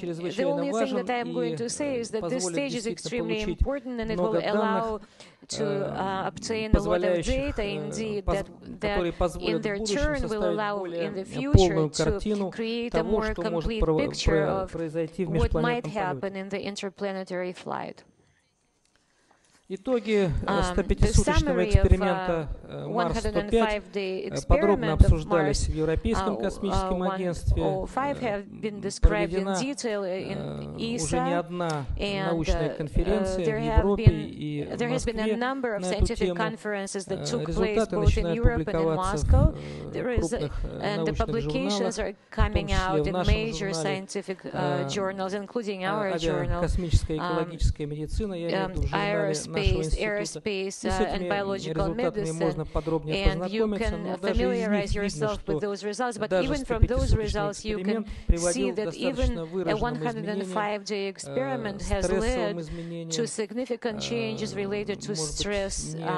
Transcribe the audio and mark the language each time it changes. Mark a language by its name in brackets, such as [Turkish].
[English] The only thing that I'm going to say is that this stage is extremely important, and it will allow to obtain a lot of data, indeed, that in their turn will allow in the future to create a more complete picture of what might happen in the interplanetary flight. [Russian] Итоги 105-суточного эксперимента Mars-105 подробно обсуждались в Европейском космическом агентстве. Проведена уже не одна научная конференция в Европе и в Москве на эту тему. Результаты начинают публиковаться в крупных научных журналах, в том числе в нашем журнале «Космическая и экологическая медицина», я имею в виду журнале [English] Aerospace and biological medicine, and you can familiarize yourself with those results, but even from those results you can see that even a 105-day experiment has led to significant changes related to stress,